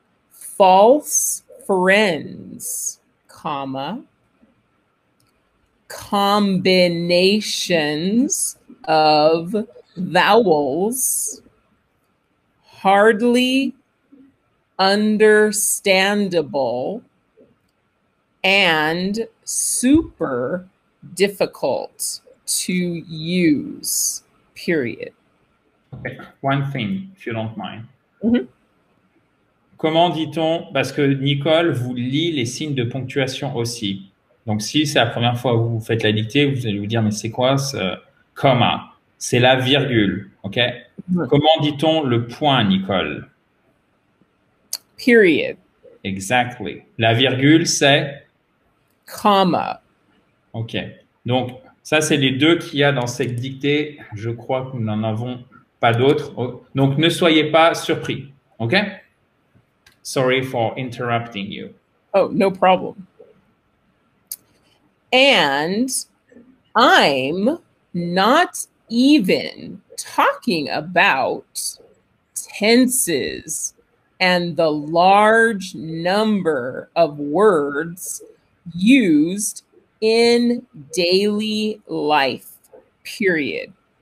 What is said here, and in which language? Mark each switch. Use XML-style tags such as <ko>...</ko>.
<en>false friends, comma, combinations of vowels, hardly understandable, and super difficult to use, period. Okay, one thing, if you don't mind. Mm-hmm.</en> <fr>Comment dit-on, parce que Nicole vous lit les signes de ponctuation aussi. Donc, si c'est la première fois que vous faites la dictée, vous allez vous dire, mais c'est quoi ce comma? C'est la virgule, OK? Mm-hmm. Comment dit-on le point, Nicole?</fr> <en>Period. Exactly.</en> <fr>La virgule, c'est?</fr> <en>Comma. OK.</en> <fr>Donc, ça, c'est les deux qu'il y a dans cette dictée. Je crois que nous n'en avons pas d'autres. Donc, ne soyez pas surpris, OK?</fr> <en>Sorry for interrupting you. Oh, no problem. And I'm not even talking about tenses and the large number of words used in daily life, period.</en>